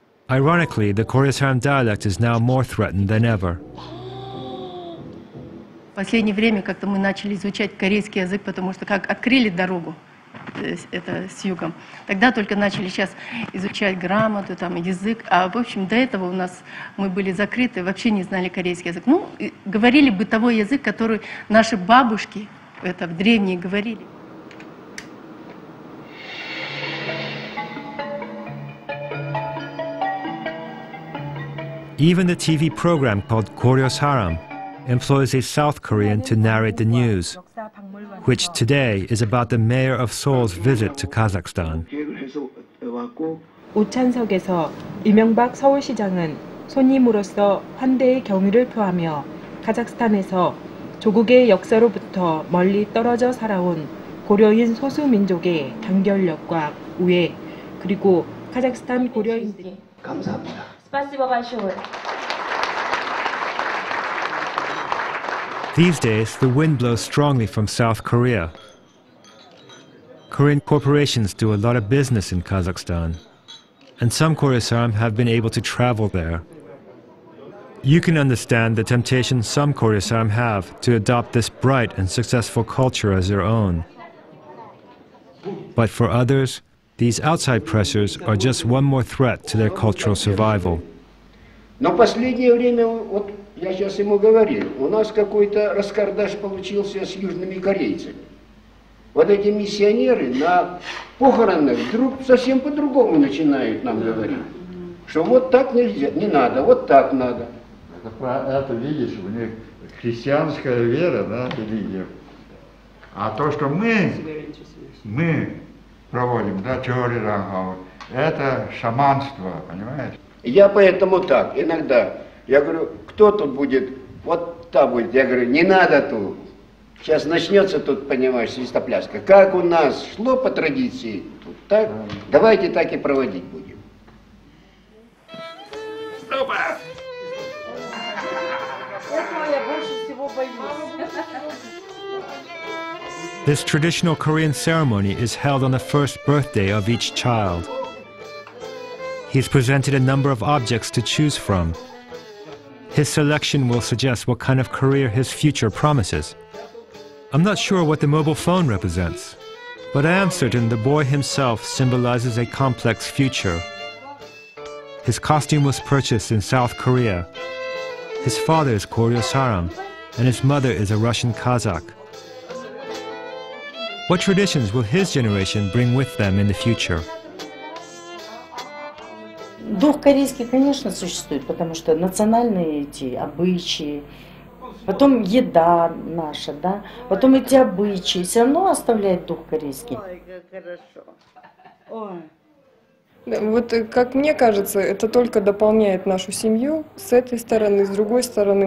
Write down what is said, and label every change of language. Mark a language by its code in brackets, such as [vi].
[en] Ironically, the Koryo Saram dialect is now more threatened than ever. [ru] В последнее время как-то мы начали изучать корейский язык, потому что как открыли дорогу это с югом. Тогда только начали сейчас изучать грамоту, там, язык. А в общем, до этого у нас мы были закрыты, вообще не знали корейский язык. Ну, говорили бытовой язык, который наши бабушки это в древние говорили. [en] Even the TV program called Koryo Saram employs a South Korean to narrate the news, which today is about the mayor of Seoul's visit to Kazakhstan. [ko] 오찬석에서 이명박 서울시장은 손님으로서 환대의 경의를 표하며 카자흐스탄에서 조국의 역사로부터 멀리 떨어져 살아온 고려인 소수 민족의 단결력과 우애 그리고 카자흐스탄 고려인들이 감사합니다. [en] These days, the wind blows strongly from South Korea. Korean corporations do a lot of business in Kazakhstan, and some Koryo Saram have been able to travel there. You can understand the temptation some Koryo Saram have to adopt this bright and successful culture as their own. But for others, these outside pressures are just one more threat to their cultural survival. [ru] Но последнее время, вот я сейчас ему говорил, у нас какой-то раскардаш получился с южными корейцами. Вот эти миссионеры на похоронах вдруг совсем по-другому начинают нам говорить, что вот так нельзя, не надо, вот так надо. Это видишь, у них христианская вера, да, ты видишь. А то, что мы проводим, да, теорию рангау, это шаманство, понимаешь? Я поэтому так, иногда, я говорю, кто тут будет, вот там будет, я говорю, не надо тут, сейчас начнется тут, понимаешь, свистопляска, как у нас шло по традиции, тут, так, давайте так и проводить будем. Стопа! Этого я больше всего боюсь. [en] This traditional Korean ceremony is held on the first birthday of each child. He's presented a number of objects to choose from. His selection will suggest what kind of career his future promises. I'm not sure what the mobile phone represents, but I am certain the boy himself symbolizes a complex future. His costume was purchased in South Korea. His father is Koryo Saram, and his mother is a Russian Kazakh. What traditions will his generation bring with them in the future? [ru] Дух корейский, конечно, существует, потому что национальные эти обычаи, потом еда наша, да, потом эти обычаи, все равно оставляет дух корейский. Ой, как хорошо. Ой. Вот, как мне кажется, это только дополняет нашу семью с этой стороны, с другой стороны.